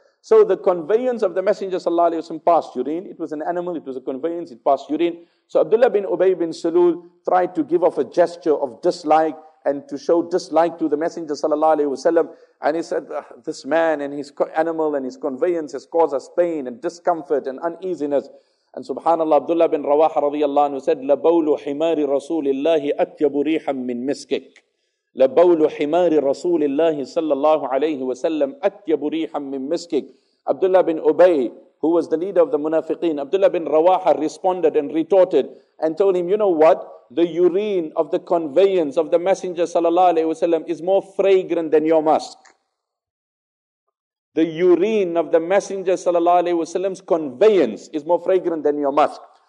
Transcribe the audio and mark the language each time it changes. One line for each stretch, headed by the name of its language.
English: So the conveyance of the Messenger sallallahu alayhi wa sallam passed urine. It was an animal, it was a conveyance, it passed urine. So Abdullah bin Ubay bin Salul tried to give off a gesture of dislike and to show dislike to the Messenger sallallahu alayhi wa sallam. And he said, this man and his animal and his conveyance has caused us pain and discomfort and uneasiness. And subhanAllah, Abdullah bin Rawaha radiyallahu anhu said,
Arabic: لَبَوْلُ حِمَارِ رَسُولِ اللَّهِ أَتْيَبُ رِيحًا مِّن مِسْكِكِ لَبَوْلُ حِمَارِ رَسُولِ اللَّهِ صَلَّى اللَّهُ عَلَيْهِ وَسَلَّمْ أَتْيَبُ رِيحًا مِّن مِسْكِكِ.
English: Abdullah bin Ubay, who was the leader of the Munafiqeen, Abdullah bin Rawaha responded and retorted and told him, you know what? The urine of the conveyance of the Messenger sallallahu alayhi wa sallam is more fragrant than your musk. The urine of the Messenger sallallahu alayhi wasallam's conveyance is more fragrant than your musk.